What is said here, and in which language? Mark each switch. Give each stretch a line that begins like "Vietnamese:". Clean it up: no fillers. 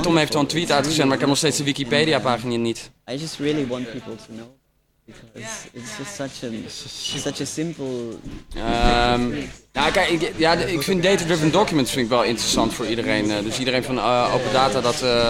Dutch: Tom heeft al een tweet uitgezet, maar ik heb nog steeds de Wikipedia-pagina niet.
English: I just really want people to know, because it's just such a simple.
Dutch: Ik vind data-driven documents vind ik wel interessant voor iedereen. Dus iedereen van open data dat.